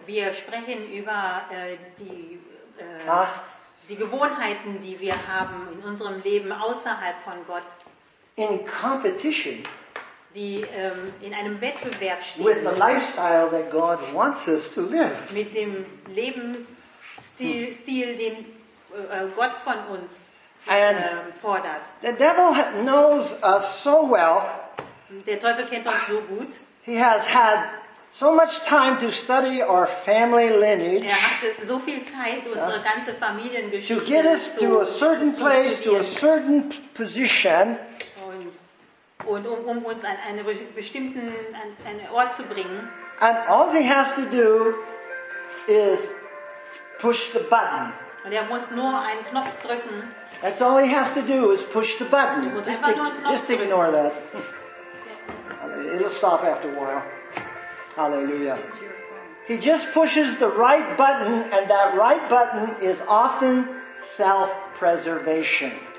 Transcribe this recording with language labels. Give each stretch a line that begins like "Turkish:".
German: Wir sprechen über die Gewohnheiten, die wir haben in unserem Leben außerhalb von Gott.
English: In competition.
German: Die in einem Wettbewerb stehen.
English: With the lifestyle that God wants us to live.
German: Mit dem Lebensstil, den Gott von uns.
English: And the devil knows us so well.
German: Der Teufel kennt uns so gut.
English: He has had so much time to study our family lineage.
German: Er hat so viel Zeit, unsere ganze Familiengeschichte zu studieren.
English: To get us to a certain place, to a certain position.
German: Um uns an einen bestimmten Ort zu bringen.
English: And all he has to do is push the button.
German: Und muss nur einen Knopf drücken.
English: That's all he has to do is push the button. Just ignore that. It'll stop after a while. Hallelujah. He just pushes the right button, and that right button is often self-preservation.